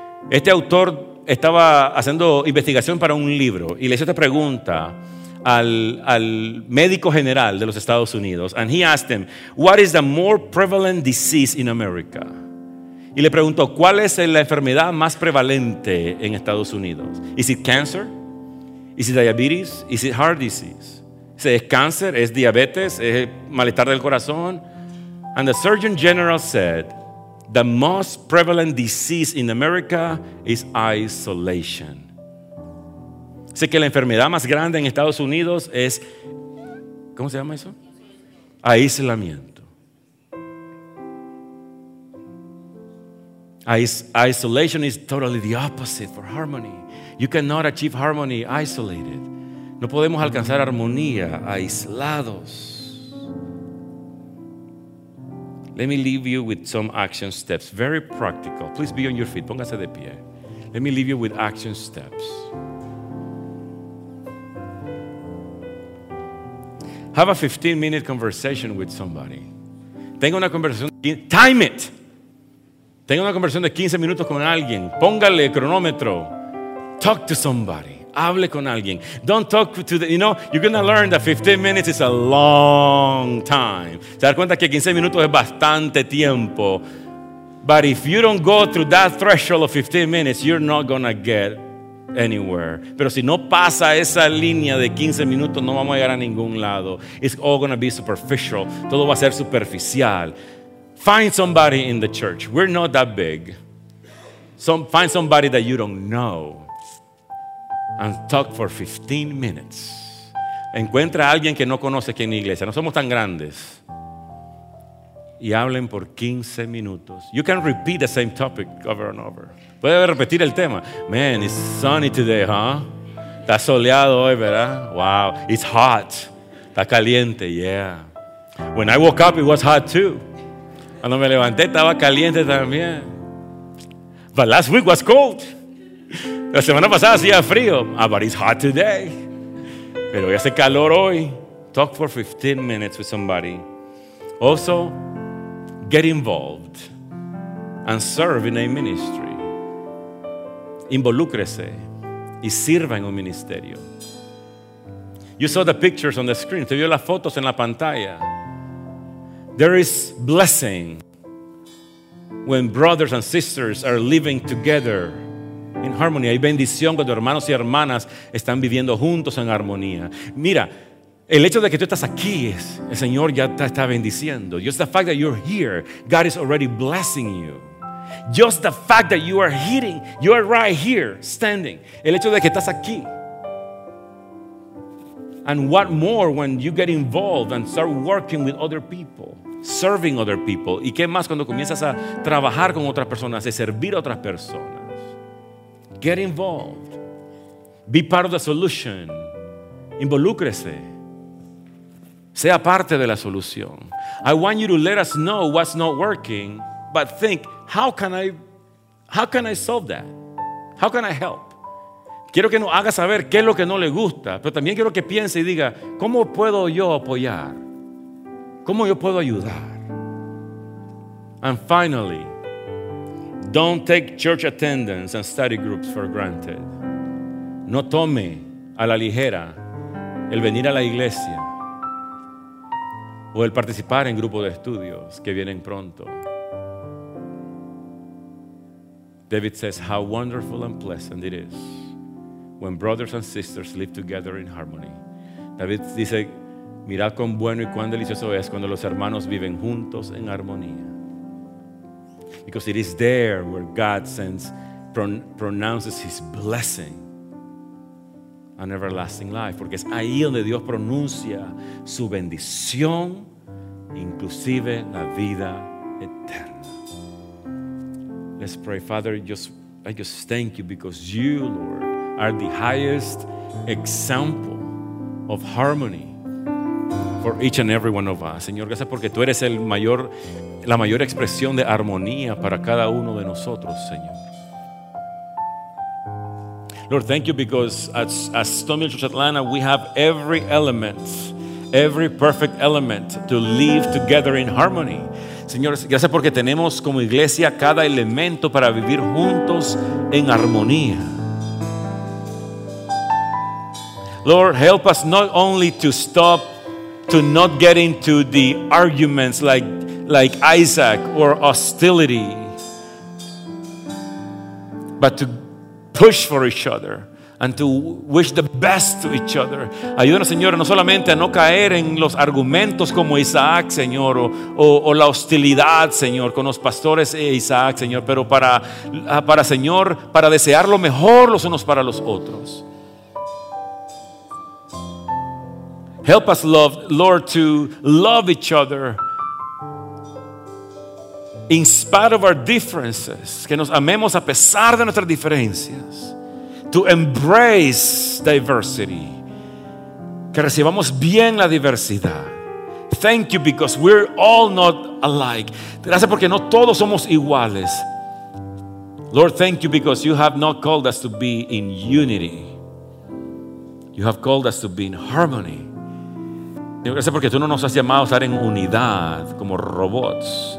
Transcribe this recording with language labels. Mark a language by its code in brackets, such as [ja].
[es] Este autor estaba haciendo investigación para un libro y le hizo esta pregunta al médico general de los Estados Unidos. [en] And he asked him, what is the more prevalent disease in America? [es] Y le preguntó, ¿cuál es la enfermedad más prevalente en Estados Unidos? [en] Is it cancer? Is it diabetes? Is it heart disease? [es] ¿Es cáncer? ¿Es diabetes? ¿Es malestar del corazón? [en] And the Surgeon General said, the most prevalent disease in America is isolation. [es] Sé que la enfermedad más grande en Estados Unidos es, ¿cómo se llama eso? Aislamiento. [en] Isolation is totally the opposite for harmony. You cannot achieve harmony isolated. [es] No podemos alcanzar armonía aislados. [en] Let me leave you with some action steps. Very practical. Please be on your feet. [es] Póngase de pie. [en] Let me leave you with action steps. Have a 15-minute conversation with somebody. [es] Tenga una conversación. [en] Time it. [es] Tenga una conversación de 15 minutos con alguien. Póngale cronómetro. [en] Talk to somebody. [es] Hable con alguien. [en] Don't talk to the, you know, you're going to learn that 15 minutes is a long time. [es] Se da cuenta que 15 minutos es bastante tiempo. [en] But if you don't go through that threshold of 15 minutes, you're not going to get anywhere. [es] Pero si no pasa esa línea de 15 minutos, no vamos a llegar a ningún lado. [en] It's all going to be superficial. [es] Todo va a ser superficial. [en] Find somebody in the church. We're not that big. Find somebody that you don't know. And talk for 15 minutes. [es] Encuentra a alguien que no conoce aquí en la iglesia. No somos tan grandes. Y hablen por 15 minutos. [en] You can repeat the same topic over and over. [es] Puede repetir el tema. [en] Man, it's sunny today, huh? [es] Está soleado hoy, ¿verdad? [en] Wow, it's hot. [es] Está caliente, [en] yeah. When I woke up, it was hot too. [es] Cuando me levanté, estaba caliente también. [en] But last week was cold. [es] La semana pasada hacía frío. [en] Ah, but it's hot today. [es] Pero hace calor hoy. [en] Talk for 15 minutes with somebody. Also, get involved and serve in a ministry. [es] Involúcrese y sirva en un ministerio. [en] You saw the pictures on the screen. [es] Te vio las fotos en la pantalla. [en] There is blessing when brothers and sisters are living together in harmony. [es] Hay bendición cuando hermanos y hermanas están viviendo juntos en armonía. Mira, el hecho de que tú estás aquí, el Señor ya te está bendiciendo. [en] Just the fact that you're here, God is already blessing you. Just the fact that you are right here, standing. [es] El hecho de que estás aquí. [en] And what more when you get involved and start working with other people, serving other people. [es] ¿Y qué más cuando comienzas a trabajar con otras personas, a servir a otras personas? [en] Get involved. Be part of the solution. [es] Involúcrese. Sea parte de la solución. [en] I want you to let us know what's not working, but think, how can I solve that? How can I help? [es] Quiero que nos haga saber qué es lo que no le gusta, pero también quiero que piense y diga, ¿cómo puedo yo apoyar? ¿Cómo yo puedo ayudar? [en] And finally, don't take church attendance and study groups for granted. [es] No tome a la ligera el venir a la iglesia o el participar en grupos de estudios que vienen pronto. [en] David says, how wonderful and pleasant it is when brothers and sisters live together in harmony. [es] David dice, mirad cuán bueno y cuán delicioso es cuando los hermanos viven juntos en armonía. [en] because it is there where God sends, pronounces his blessing, an everlasting life. [es] Porque es ahí donde Dios pronuncia su bendición, inclusive la vida eterna. [en] Let's pray. Father, I just thank you because you, Lord, are the highest example of harmony for each and every one of us. [es] Señor, gracias porque tú eres la mayor expresión de armonía para cada uno de nosotros, Señor. [en] Lord, thank you because as Stonehill Church Atlanta, we have every element, every perfect element to live together in harmony. [es] Señor, gracias porque tenemos como iglesia cada elemento para vivir juntos en armonía. [en] Lord, help us not only to stop to not get into the arguments like Isaac or hostility, but to push for each other and to wish the best to each other. [es] Ayúdanos, Señor, no solamente a no caer en los argumentos como Isaac, Señor, o la hostilidad, Señor, con los pastores e Isaac, Señor, pero para Señor, para desear lo mejor los unos para los otros. [en] Help us love, Lord, to love each other in spite of our differences. [es] Que nos amemos a pesar de nuestras diferencias. [en] To embrace diversity. [es] Que recibamos bien la diversidad. [en] Thank you because we're all not alike. [es] Gracias porque no todos somos iguales. [en] Lord, thank you because you have not called us to be in unity. You have called us to be in harmony. [es] Gracias porque tú no nos has llamado a estar en unidad como robots.